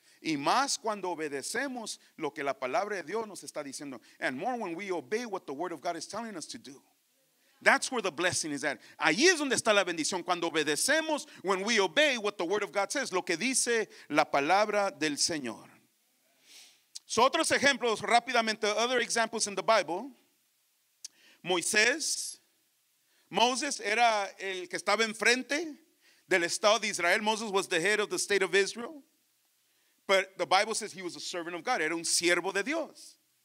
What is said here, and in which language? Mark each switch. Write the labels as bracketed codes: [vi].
[es] Y más cuando obedecemos lo que la palabra de Dios nos está diciendo. [en] And more when we obey what the word of God is telling us to do. That's where the blessing is at. [es] Ahí es donde está la bendición. Cuando obedecemos, [en] when we obey what the word of God says, [es] lo que dice la palabra del Señor. [en] So [es] otros ejemplos rápidamente, [en] other examples in the Bible. [es] Moses era el que estaba enfrente del Estado de Israel. [en] Moses was the head of the state of Israel. But the Bible says he was a servant of God. [es] Era un siervo de Dios.